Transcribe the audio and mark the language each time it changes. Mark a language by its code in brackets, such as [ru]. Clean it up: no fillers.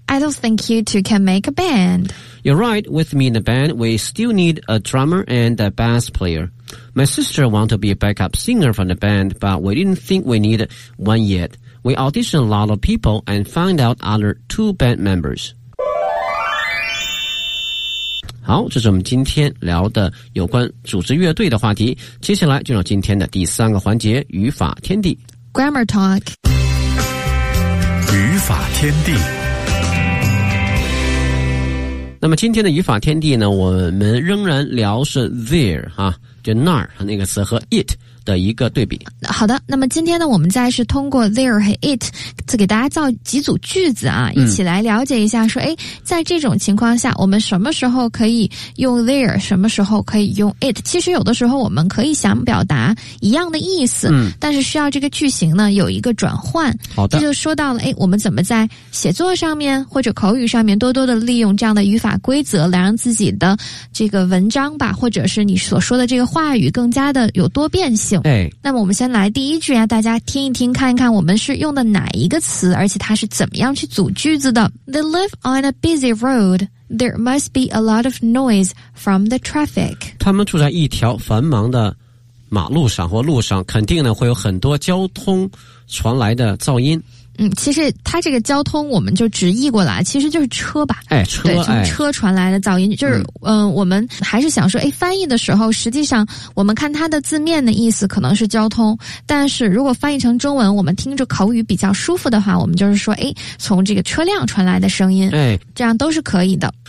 [en] I don't think you two can make a band. You're right. With me in the band, we still need a drummer and a bass player. My sister wanted to be a backup singer from the band, but we didn't think we needed one yet. We auditioned a lot of people and found out other two band members. [zh] 好，这是我们今天聊的有关组织乐队的话题。接下来就到今天的第三个环节，语法天地。 [en] Grammar Talk。 [zh] 语法天地。那么今天的语法天地呢，我们仍然聊是 there 哈、啊，就那儿那个词和 it 的一个对比。好的，那么今天呢，我们再是通过 there 和 it 再给大家造几组句子啊，一起来了解一下说，在这种情况下，我们什么时候可以用 there， 什么时候可以用 it？其实有的时候我们可以想表达一样的意思，但是需要这个句型呢有一个转换。好的，这就说到了，我们怎么在写作上面或者口语上面多多的利用这样的语法规则，来让自己的这个文章吧，或者是你所说的这个话语更加的有多变性。那么我们先来第一句啊，大家听一听，看一看我们是用的哪一个词，而且它是怎么样去组句子的。 [en] They live on a busy road. There must be a lot of noise from the traffic. [zh] 他们住在一条繁忙的马路上或路上，肯定呢会有很多交通传来的噪音。其实它这个交通我们就直译过来，其实就是车吧。车，对，从车传来的噪音，就是我们还是想说，翻译的时候，实际上我们看它的字面的意思可能是交通，但是如果翻译成中文，我们听着口语比较舒服的话，我们就是说，从这个车辆传来的声音，这样都是可以的。